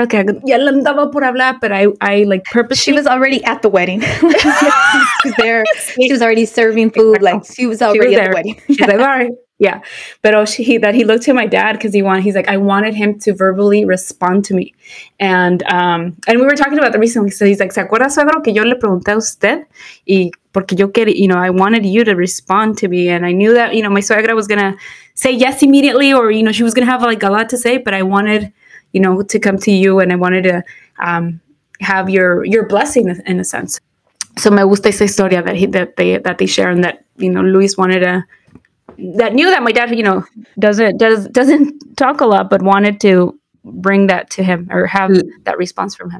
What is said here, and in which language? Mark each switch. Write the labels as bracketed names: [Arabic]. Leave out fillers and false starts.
[Spanish] Okay, ya le andaba por hablar, [English] but I like purposely. She was already at the wedding. She's there. She was already serving food. Like she was already at the wedding. She's like, all right. Yeah. But he looked to my dad because I wanted him to verbally respond to me. And we were talking about that recently. So he's like, [Spanish] ¿se acuerda, suegro, que yo le pregunté a usted? Y porque yo quería, [English] you know, I wanted you to respond to me. And I knew that, you know, my suegra was going to say yes immediately, or, you know, she was going to have like a lot to say, but I wanted, you know, to come to you and I wanted to have your blessing in a sense. So [Spanish] me gusta esa historia [English] that they share, and that, you know, Luis wanted to, that knew that my dad, you know, doesn't talk a lot, but wanted to bring that to him or have that response from him.